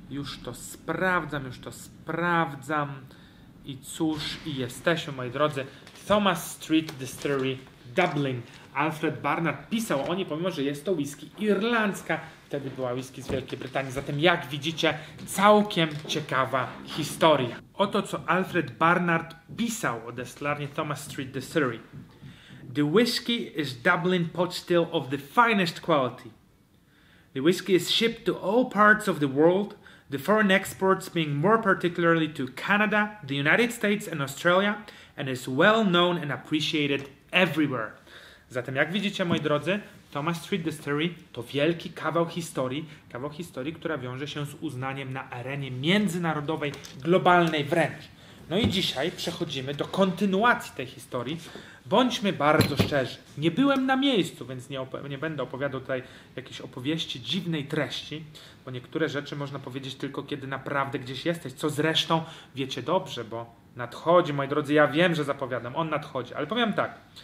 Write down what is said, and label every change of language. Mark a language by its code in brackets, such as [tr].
[pl] Już to sprawdzam. I cóż, i jesteśmy, moi drodzy. Thomas Street Distillery Dublin. Alfred Barnard pisał o niej, pomimo że jest to whisky irlandzka. Wtedy była whisky z Wielkiej Brytanii. Zatem jak widzicie, całkiem ciekawa historia. Oto co Alfred Barnard pisał o destylarni Thomas Street Distillery. [en] The whisky is Dublin pot still of the finest quality. The whisky is shipped to all parts of the world, the foreign exports being more particularly to Canada, the United States and Australia, and is well known and appreciated everywhere. [pl] Zatem jak widzicie, moi drodzy, Thomas Street Distillery to wielki kawał historii, która wiąże się z uznaniem na arenie międzynarodowej, globalnej wręcz. No i dzisiaj przechodzimy do kontynuacji tej historii. Bądźmy bardzo szczerzy, nie byłem na miejscu, więc nie będę opowiadał tutaj jakiejś opowieści dziwnej treści, bo niektóre rzeczy można powiedzieć tylko, kiedy naprawdę gdzieś jesteś, co zresztą wiecie dobrze, bo nadchodzi, moi drodzy, ja wiem, że zapowiadam, on nadchodzi, ale powiem tak.